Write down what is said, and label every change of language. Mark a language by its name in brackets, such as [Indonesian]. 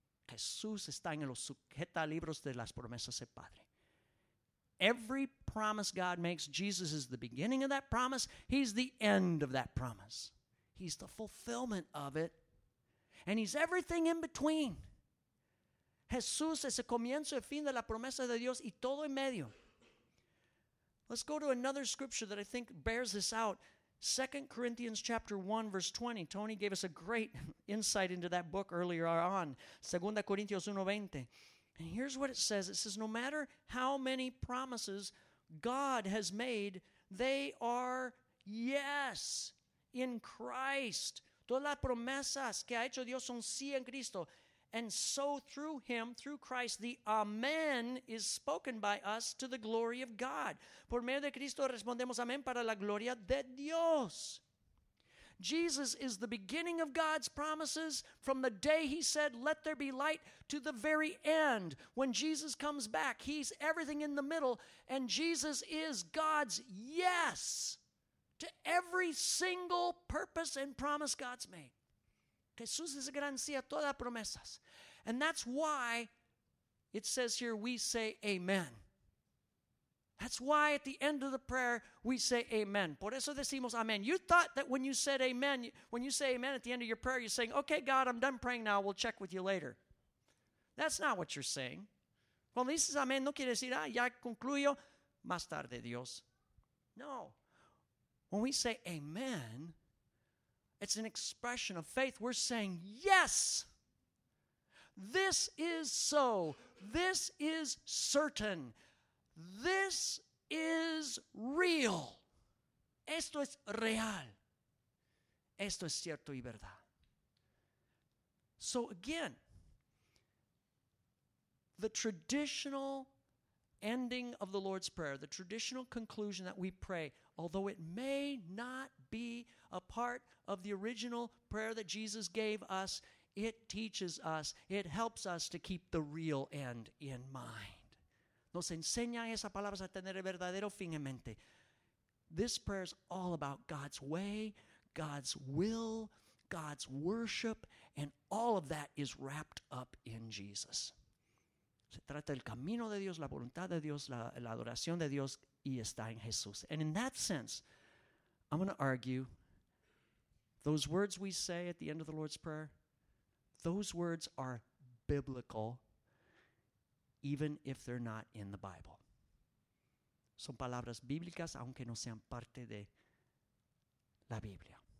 [Spanish] Jesús está en los sujeta libros de las promesas del Padre. [English] Every promise God makes, Jesus is the beginning of that promise. He's the end of that promise. He's the fulfillment of it. And he's everything in between. [Spanish] Jesús es el comienzo y el fin de la promesa de Dios y todo en medio. [English] Let's go to another scripture that I think bears this out. 2 Corinthians chapter 1, verse 20. Tony gave us a great insight into that book earlier on. 2 Corinthians 1, 20. And here's what it says. It says, no matter how many promises God has made, they are yes in Christ. [Spanish] Todas las promesas que ha hecho Dios son sí en Cristo. [English] And so through him, through Christ, the amen is spoken by us to the glory of God. [Spanish] Por medio de Cristo respondemos amén para la gloria de Dios. [English] Jesus is the beginning of God's promises from the day he said, let there be light, to the very end. When Jesus comes back, he's everything in the middle, and Jesus is God's yes to every single purpose and promise God's made. [Spanish] Jesús es garantía todas promesas. [English] And that's why it says here we say amen. That's why at the end of the prayer we say amen. [Spanish] Por eso decimos amen. [English] You thought that when you said amen, when you say amen at the end of your prayer, you're saying, okay, God, I'm done praying now. We'll check with you later. That's not what you're saying. [Spanish] Cuando dices amen, no quiere decir, ah, ya concluyo, más tarde, Dios. No. [English] When we say amen, it's an expression of faith. We're saying, yes, this is so. This is certain. This is real. [Spanish] Esto es real. Esto es cierto y verdad. [English] So again, the traditional ending of the Lord's Prayer, the traditional conclusion that we pray, although it may not be a part of the original prayer that Jesus gave us, it teaches us, it helps us to keep the real end in mind. [Spanish] Nos enseña esa palabra a tener el verdadero fin en mente. [English] This prayer is all about God's way, God's will, God's worship, and all of that is wrapped up in Jesus. [Spanish] Se trata del camino de Dios, la voluntad de Dios, la adoración de Dios, y está en Jesús. [English] And in that sense, I'm going to argue, those words we say at the end of the Lord's Prayer, those words are biblical, even if they're not in the Bible. [Spanish] Son palabras bíblicas, aunque no sean parte de la Biblia.